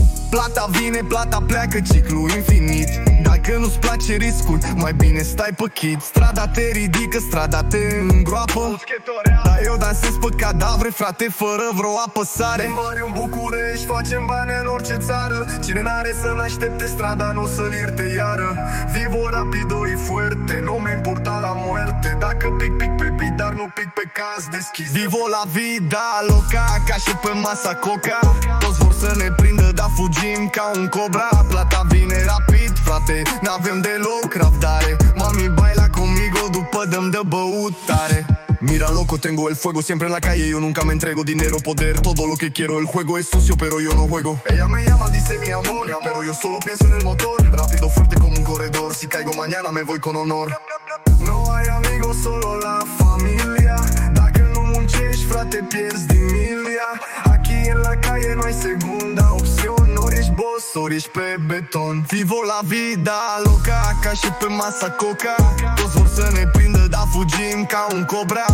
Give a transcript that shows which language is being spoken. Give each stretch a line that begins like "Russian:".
Romanian: Plata vine, plata pleacă, ciclu infinit. Dacă nu-ți place riscul, mai bine stai pe chit. Strada te ridică, strada te îngroapă. Dar eu dansez pe cadavre, frate, fără vreo apăsare. Din bani în București, facem bani în orice țară. Cine n-are să-l aștepte, strada n-o să-l ierte iară.
Spanish: Vivo rapido y fuerte, no me importa la muerte.
Romanian: Dacă pic, pic pe beat, dar nu pic pe caz deschis.
Spanish: Vivo la vida loca,
Romanian: ca și pe masa coca. Toți vor să ne prindă, dar fugim ca un cobra. Plata vine rapid, frate, n-avem deloc răbdare.
Spanish: Mami, baila conmigo,
Romanian: după dăm de băutare.
Spanish: Mira loco, tengo el fuego, siempre en la calle, yo nunca me entrego. Dinero, poder, todo lo que quiero, el juego es sucio, pero yo no juego. Ella me llama, dice mi amor, pero yo solo pienso en el motor. Rápido, fuerte como un corredor, si caigo mañana me voy con honor. No hay amigos, solo la familia.
Romanian: Dacă nu muncești, frate, pierzi din milia.
Spanish: Aquí en la calle no hay segunda opción.
Romanian: Ori ești pe beton.
Spanish: Vivo la vida loca,
Romanian: ca și pe masa coca. Toți vor să ne prindă, dar fugim ca un cobra.